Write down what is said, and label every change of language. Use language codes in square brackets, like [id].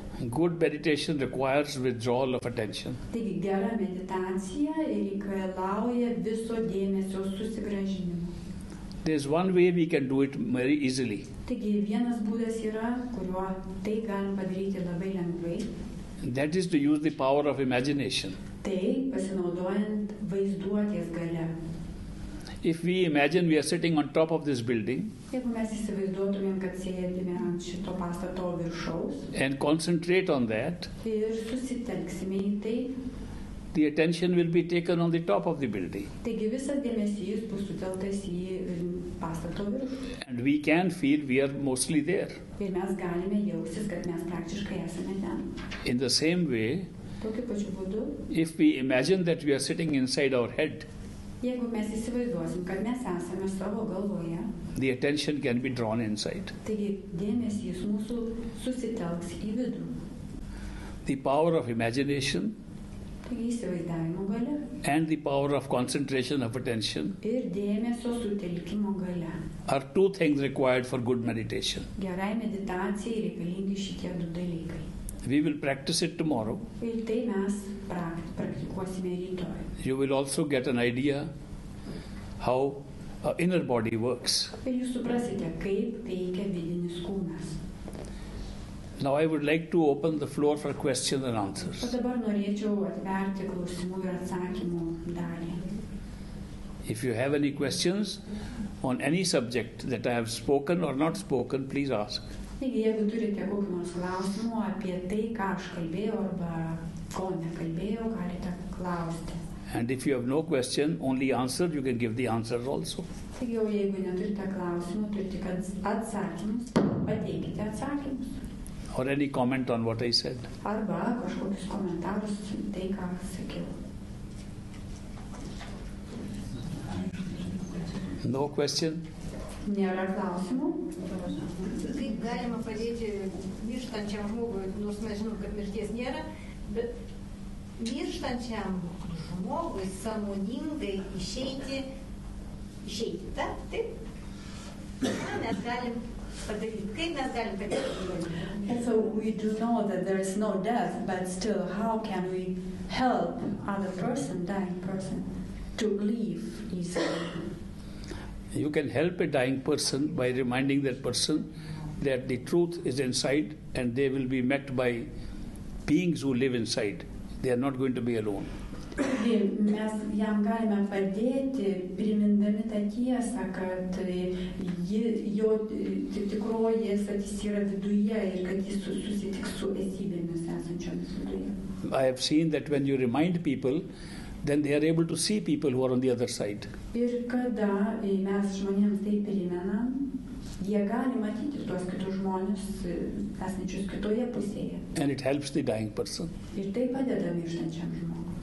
[en] Good meditation requires withdrawal of attention. [lt] Taigi, gera meditacija reikalauja viso dėmesio susigražinimo. [en] There's one way we can do it very easily. [lt] Taigi, vienas būdas yra, kuriuo tai galime padaryti labai lengvai. [en] That is to use the power of imagination. [lt] Tai pasinaudojant vaizduotės galia. [en] If we imagine we are sitting on top of this building, [lt] jeigu mes įsivaizduotumėm, kad sėdime ant šito pastato viršaus, [en] and concentrate on that, [lt] ir susitelksime į tai, [en] the attention will be taken on the top of the building. [lt] Taigi visas dėmesys bus sutelktas į pastato viršų. [en] And we can feel we are mostly there. [lt] Ir mes galime jaustis, kad mes praktiškai esame ten. [en] In the same way, [lt] tokiu pačiu būdu, [en] if we imagine that we are sitting inside our head, [lt] jeigu mes įsivaizduosim, kad mes esame savo galvoje, [en] the attention can be drawn inside. [lt] Taigi dėmesys mūsų susitelks į vidų. [en] The power of imagination and the power of concentration of attention [lt] ir dėmesio sutelkimo galia [en] are two things required for good meditation. [lt] Gerai meditacijai reikalingi šitie du dalykai. [en] We will practice it tomorrow. [lt] Ir tai mes praktikuosime rytoj. [en] You will also get an idea how our inner body works. [lt] Ir jūs suprasite, kaip veikia vidinis kūnas. [en] Now I would like to open the floor for questions and answers. [lt] O dabar norėčiau atverti klausimų ir atsakymų dalį. [en] If you have any questions on any subject that I have spoken or not spoken, please ask. [lt] Jeigu turite kokių nors klausimų apie tai, ką aš kalbėjau arba ko nekalbėjau, galite klausti. [en] And if you have no question, only answer, you can give the answers also. [lt] Taigi, jeigu neturite klausimų, turite atsakymus, pateikite atsakymus. [en] Or any comment on what I said. [lt] Arba kažkokius komentarus, tai ką sakiau. [en] No question? [lt] Nėra klausimų. Kaip galima padėti mirštančiam žmogui, nors mes žinom, kad mirties nėra, bet mirštančiam žmogui sąmoningai išeiti, taip? Taip? Ką mes galim [en] And so we do know that there is no death, but still, how can we help other person, dying person, to leave easily? You can help a dying person by reminding that person that the truth is inside and they will be met by beings who live inside. They are not going to be alone. [lt] Mes jam galime padėti, primindami tą tiesą, kad jo tikroji esatis yra viduje ir kad jis susitiks su esybėmis esančiomis viduje. [en] I have seen that when you remind people, then they are able to see people who are on the other side. [lt] Ir kada mes žmonėms tai primenam, jie gali matyti tuos kitus žmonės esančius kitoje pusėje. [en] And it helps the dying person. [lt] Ir tai padeda mirštančiam žmogui.